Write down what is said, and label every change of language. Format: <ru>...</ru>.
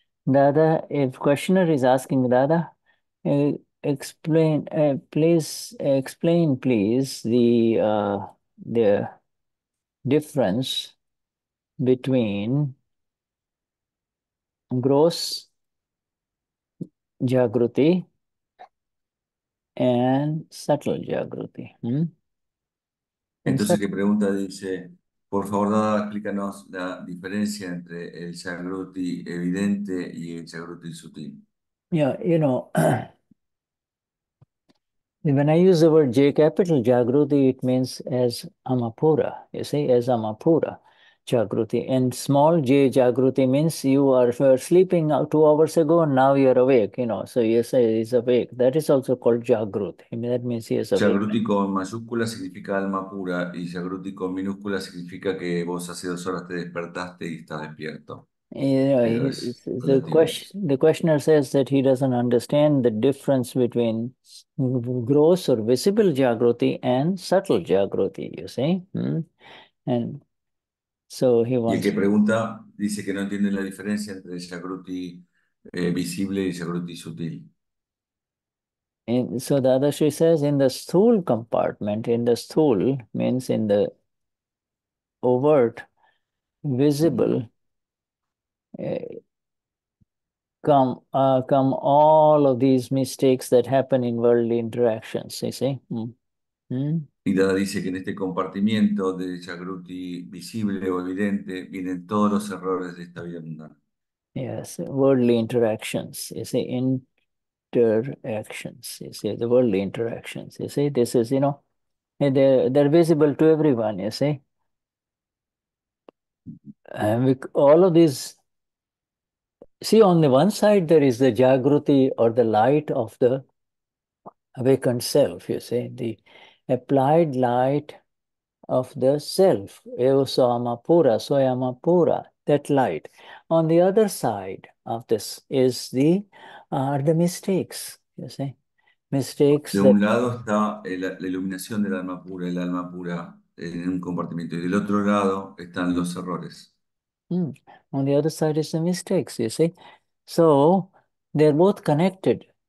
<en>Dada, if questioner is asking, Dada, explain please the difference between gross Jagruti and subtle Jagruti.</en> <es>Entonces, ¿qué pregunta dice? Por favor, Dada, explícanos la diferencia entre el Jagruti evidente y el Jagruti sutil.</es> <en>Yeah, you know, when I use the word J capital Jagruti, it means as Amapura, you see, as Amapura Jagruti. And small J Jagruti means you are sleeping 2 hours ago and now you're awake, you know. So you say he's awake. That is also called Jagruti. I mean, that means he is awake.</en> <es>Jagruti con mayúscula significa alma pura y Jagruti con minúscula significa que vos hace 2 horas te despertaste y estás despierto.</es> <en>You know,</en> <es>Pero es relativo.</es> <en>The questioner says that he doesn't understand the difference between gross or visible Jagruti and subtle Jagruti, you see. And so he wants.</en> <es>Y el que pregunta dice que no entiende la diferencia entre Jagruti visible y Jagruti sutil.</es> <en>And so Dadashri says in the sthul compartment, in the sthul means in the overt, visible, come all of these mistakes that happen in worldly interactions, you see.</en> <es>Y Dada dice que en este compartimiento de Jagruti visible o evidente vienen todos los errores de esta vida mundana.</es> <en>Yes, worldly interactions, you see, interactions, you see, the worldly interactions, you see, this is, you know, they're visible to everyone, you see. And all of these, see, on the one side, there is the Jagruti or the light of the awakened self, you see, the applied light of the self, Eva Soyamapura, Soyamapura, that light. On the other side of this is the are the mistakes, you see. Mistakes.</en> <es>De un</es> <en>that...</en> <es>lado está la iluminación del alma pura, el alma pura en un compartimiento, y del otro lado están los errores.</es> <en>On the other side is the mistakes, you see. So they're both connected.</en>